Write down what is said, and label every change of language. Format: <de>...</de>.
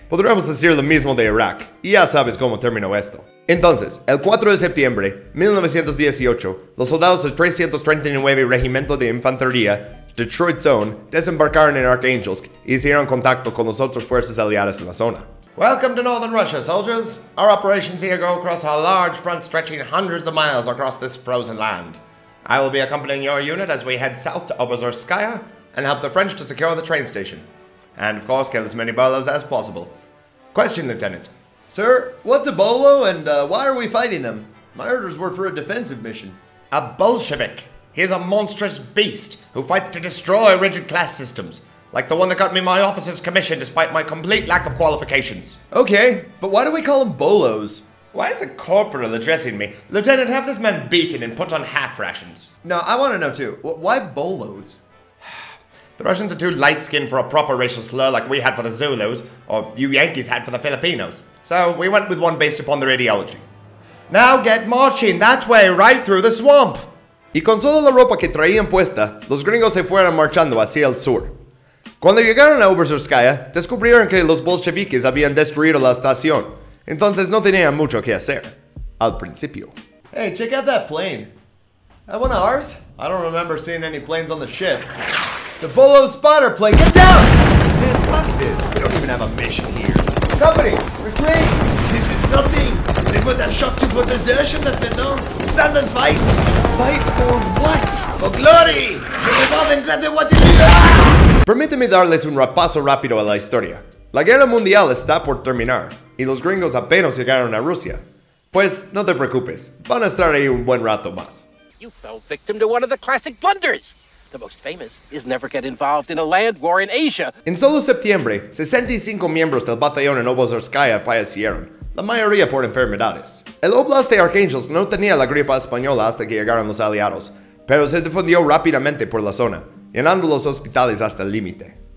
<es>Podríamos decir lo mismo de Irak, y ya sabes cómo terminó esto. Entonces, el 4 de septiembre, 1918, los soldados del 339 Regimiento de Infantería, Detroit Zone, desembarcaron en Arkhangelsk y hicieron contacto con las otras fuerzas aliadas en la zona.</es> <en>Welcome to Northern Russia, soldiers. Our operations here go across a large front stretching hundreds of miles across this frozen land. I will be accompanying your unit as we head south to Oberzorskaya and help the French to secure the train station. And of course, kill as many bolos as possible. Question, Lieutenant. Sir, what's a bolo and why are we fighting them? My orders were for a defensive mission. A Bolshevik. He's a monstrous beast who fights to destroy rigid class systems. Like the one that got me my officer's commission despite my complete lack of qualifications. Okay, but why do we call them bolos? Why is a corporal addressing me? Lieutenant, have this man beaten and put on half rations. No, I want to know too. Why bolos? The Russians are too light-skinned for a proper racial slur like we had for the Zulus, or you Yankees had for the Filipinos. So we went with one based upon their ideology. Now get marching that way, right through the swamp!</en> <es>Y con solo la ropa que traían puesta, los gringos se fueron marchando hacia el sur. Cuando llegaron a Oberzorskaya, descubrieron que los bolcheviques habían destruido la estación. Entonces no tenían mucho que hacer. Al principio.</es> <en>Hey, check out that plane. That one of ours? I don't remember seeing any planes on the ship. It's a bolo spotter plane, get down! Man, fuck this. We don't even have a mission here. Company, retreat! This is nothing. They put a shot to for desertion, that they know. Stand and fight. Fight for what? For glory! Should we move and gladly what you do?</en> <es>Permíteme darles un repaso rápido a la historia. La guerra mundial está por terminar, y los gringos apenas llegaron a Rusia. Pues, no te preocupes, van a estar ahí un buen rato más.</es> <en>You fell victim to one of the classic blunders! The most famous is never get involved in a land war in Asia!</en> <es>En solo septiembre, 65 miembros del batallón en Oberzorskaya fallecieron, la mayoría por enfermedades. El oblast de Arkhangelsk no tenía la gripa española hasta que llegaron los aliados, pero se difundió rápidamente por la zona, llenando los hospitales hasta el límite.</es>